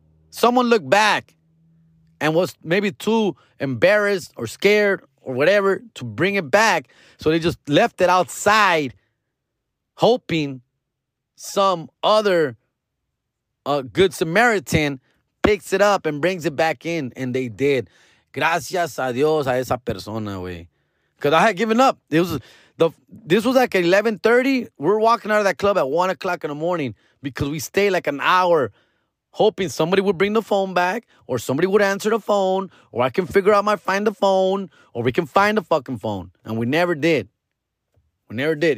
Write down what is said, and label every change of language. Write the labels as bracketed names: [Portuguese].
[English] Someone looked back and was maybe too embarrassed or scared or whatever to bring it back. So they just left it outside, hoping some other good Samaritan picks it up and brings it back in. And they did. [Spanish] Gracias a Dios a esa persona, güey. [English] Because I had given up. It was this was like 11:30. We're walking out of that club at 1 o'clock in the morning because we stayed like an hour hoping somebody would bring the phone back or somebody would answer the phone or I can figure out my find the phone or we can find the fucking phone. And we never did. We never did.